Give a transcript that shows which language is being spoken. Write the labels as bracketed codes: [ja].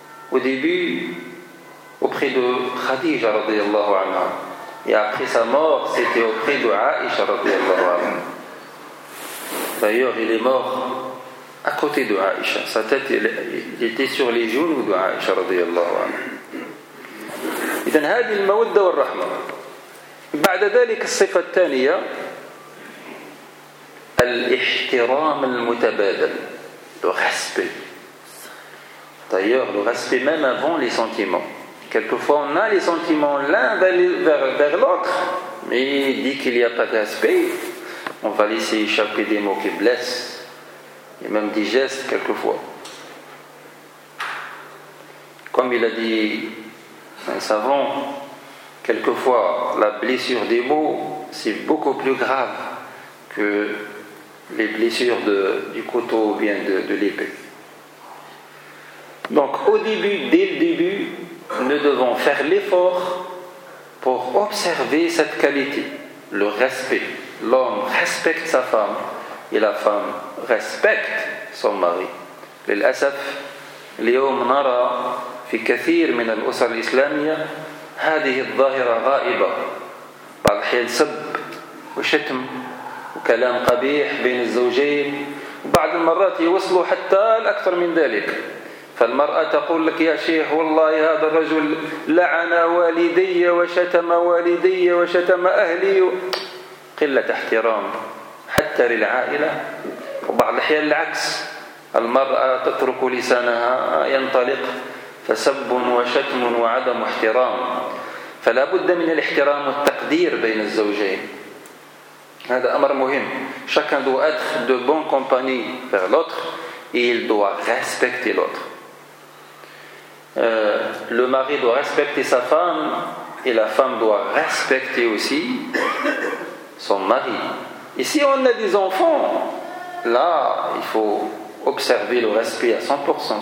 [fr] Au début, auprès de Khadija radiallahu anha, et après sa mort, c'était auprès de Aisha radiallahu anha. D'ailleurs, il est mort à côté de Aïcha. Sa tête était sur les genoux de Aïcha radiallahu anha. [ar] Donc, هذه المودة والرحمة. بعد ذلك الصفة الثانية الاحترام المتبادل. [fr] Le respect. D'ailleurs, le respect même avant les sentiments. Quelquefois, on a les sentiments l'un vers l'autre, mais dès qu'il n'y a pas de respect, on va laisser échapper des mots qui blessent. Il y a même des gestes quelquefois. Comme il a dit un savant, quelquefois la blessure des mots, c'est beaucoup plus grave que les blessures du couteau ou bien de l'épée. Donc au début, dès le début, nous devons faire l'effort pour observer cette qualité, le respect. L'homme respecte sa femme. Et la femme respecte son mari. [ar] للأسف اليوم نرى في كثير من الأسر الإسلامية هذه الظاهرة غائبة. بعض الحين سب وشتم وكلام قبيح بين الزوجين، بعض المرات يوصلوا حتى الأكثر من ذلك. فالمرأة تقول لك: يا شيخ والله هذا الرجل لعن والدي وشتم والدي وشتم أهلي. قلة احترام حتى للعائلة. وبعض الأحيان العكس، المرأة تترك لسانها ينطلق فسب وشتم وعدم احترام. فلا بد من الاحترام والتقدير بين الزوجين، هذا أمر مهم. [fr] chacun doit être de bonne compagnie vers l'autre et il doit respecter l'autre. Le mari doit respecter sa femme et la femme doit respecter aussi son mari. Et si on a des enfants, là, il faut observer le respect à 100%.